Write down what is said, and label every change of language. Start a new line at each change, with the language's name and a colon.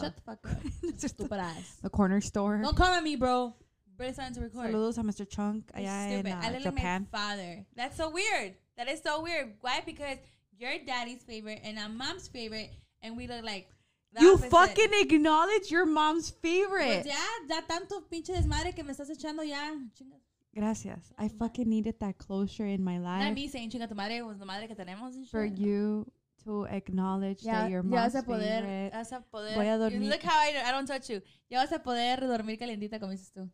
English: Shut the fuck up. Stupid ass. The corner store. Don't come at me, bro. But it's time to record.
Spanish: Saludos a Mr. Chunk.
English: I look like my father. That's so weird. That is so weird. Why? Because you're daddy's favorite and I'm mom's favorite and we look like... You fucking acknowledge your mom's favorite.
Spanish: Dad, ya tanto pinche desmadre que me estás echando ya. Gracias.
English: I fucking needed that closure in my life. Not me saying
Spanish: chinga tu madre,
English: was the
Spanish: madre que tenemos.
English: For you to acknowledge that your mom's favorite.
Spanish: Voy a dormir.
English: Look how I don't touch you.
Spanish: Ya vas a poder dormir calientita, como dices tú.